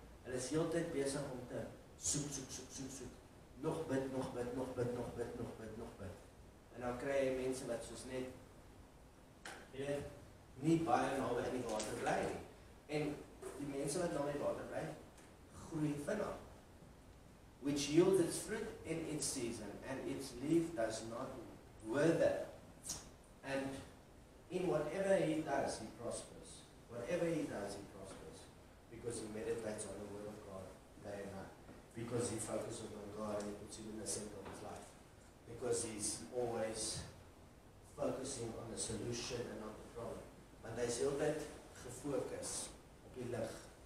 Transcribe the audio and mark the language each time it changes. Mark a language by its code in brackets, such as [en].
[af] Hulle is heeltyd besig om te soek. Nog bid. En dan kry jy mense wat soos net nie baie naby in die water bly nie. En die mense wat naby die water bly, groei vinnig. [en] Which yields its fruit in its season, and its leaf does not wither. And in whatever he does, he prospers. Whatever he does, he prospers. Because he meditates on the word of God day and night. Because he focuses on God and he puts him in the center of his life. Because he's always focusing on the solution and not the problem. [af] But hy is altyd gefokus op die lig.